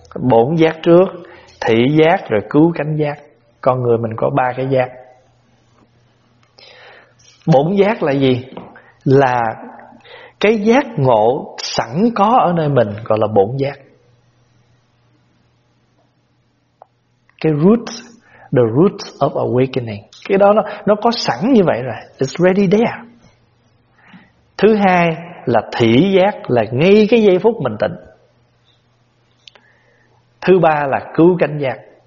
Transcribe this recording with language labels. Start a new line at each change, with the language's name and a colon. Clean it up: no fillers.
Vietnamese: Bổn giác trước, thị giác, rồi cứu cánh giác. Con người mình có ba cái giác. Bổn giác là gì? Là cái giác ngộ sẵn có ở nơi mình, gọi là bổn giác.
English: cái root, the root of awakening.
Vietnamese: Cái đó nó có sẵn như vậy rồi,
English: it's ready there.
Vietnamese: Thứ hai là thị giác, là ngay cái giây phút mình tỉnh. Thứ ba là cứu cánh giác.